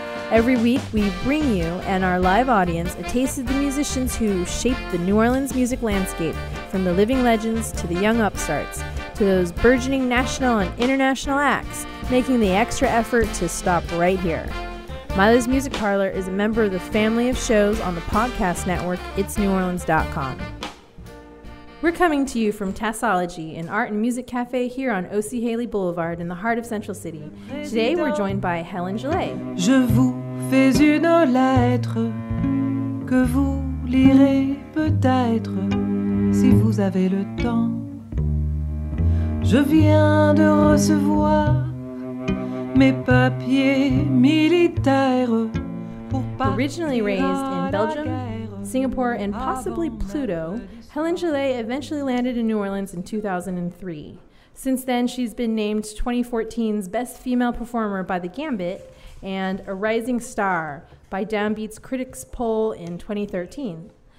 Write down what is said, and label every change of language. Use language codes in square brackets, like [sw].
[en] Every week, we bring you and our live audience a taste of the musicians who shape the New Orleans music landscape, from the living legends to the young upstarts, to those burgeoning national and international acts making the extra effort to stop right here. Milo's Music Parlor is a member of the family of shows on the podcast network, itsneworleans.com. We're coming to you from Tassology, an art and music cafe here on O.C. Haley Boulevard in the heart of Central City. Today, we're joined by Helen Gillet. [fr] Je vous fais une lettre que vous lirez peut-être si vous avez le temps. Je viens de recevoir mes papiers militaires pour partir. [en] Originally raised in Belgium, Singapore, and possibly Pluto, Helen Gillet eventually landed in New Orleans in 2003. Since then, she's been named 2014's Best Female Performer by The Gambit and a rising star by Downbeat's Critics Poll in 2013.